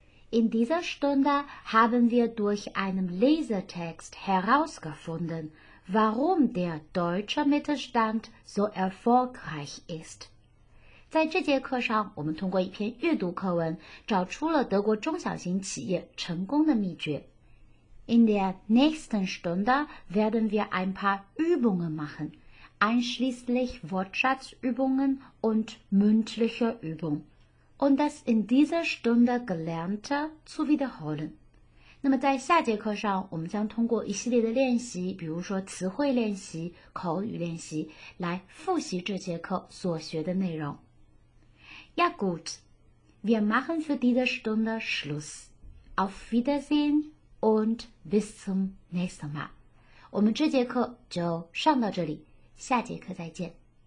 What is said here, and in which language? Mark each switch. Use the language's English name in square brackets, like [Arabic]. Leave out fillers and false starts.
[German] In dieser Stunde haben wir durch einen Lesetext herausgefunden, warum der deutsche Mittelstand so erfolgreich ist. [Chinese] 在这节课上，我们通过一篇阅读课文找出了德国中小型企业成功的秘诀。 [German] In der nächsten Stunde werden wir ein paar Übungen machen, einschließlich Wortschatzübungen und mündliche Übungen, und das in dieser Stunde Gelernte zu wiederholen. [Chinese] 那么在下节课上，我们将通过一系列的练习，比如说词汇练习、口语练习，来复习这节课所学的内容。 [German] Ja gut, wir machen für diese Stunde Schluss. Auf Wiedersehen und bis zum nächsten Mal. [Chinese] 我们这节课就上到这里，下节课再见。